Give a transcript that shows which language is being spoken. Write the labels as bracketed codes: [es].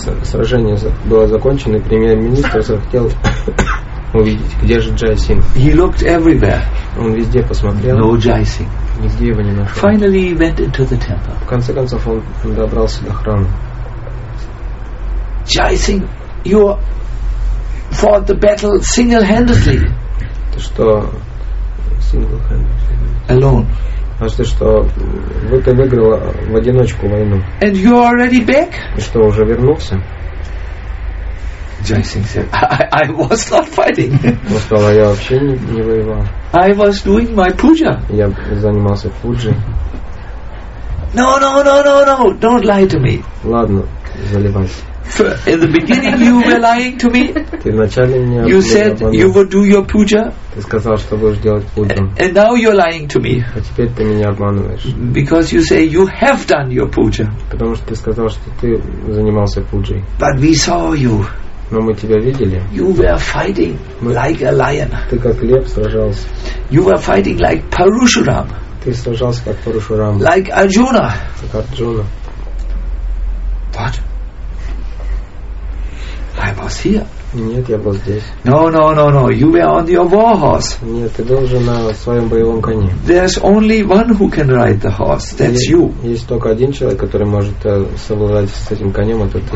[ru] Сражение было закончено, премьер-министр захотел увидеть, где же Джай Сингх. [en] He looked everywhere. [ru] Он везде посмотрел. [en] No Jai Singh. [ru] Нигде его не нашел. [en] Finally he went into the temple. [ru] В конце концов он добрался до храма. [en] Jai Singh, you fought the battle single-handedly. [ru] Ты что, [en] single-handedly? Alone. [ru] А что, ты выиграл в одиночку войну? [en] And you are already back? [ru] И что, уже вернулся? [en] Jai Singh said, I was not fighting. [ru] Он сказал, я вообще не воевал. [en] I was doing my puja. [ru] Я занимался пуджей. [en] No, don't lie to me. [ru] Ладно, заливайся. [en] In the beginning you were lying to me. [ru] Ты вначале мне [en] You said you would do your puja. [ru] Ты сказал, что будешь делать пуджу. [en] And now you're lying to me. [ru] А теперь ты меня обманываешь. [en] Because you say you have done your puja. [ru] Потому что ты сказал, что ты занимался пуджей. [en] But we saw you. [ru] Но мы тебя видели. [en] You were fighting like a lion. [ru] Ты как лев сражался. [en] You were fighting like Parushuram. [ru] Ты сражался как Парушурам. [en] Like Arjuna. [ru] Как Арджуна. [en] What? I was here. [ru] Нет, я был здесь. [en] No. You were on your war horse. Нет, ты должен на своем боевом коне. There's only one who can ride the horse. That's you. [ru] Есть только один человек, который может совладать с этим конем, это ты.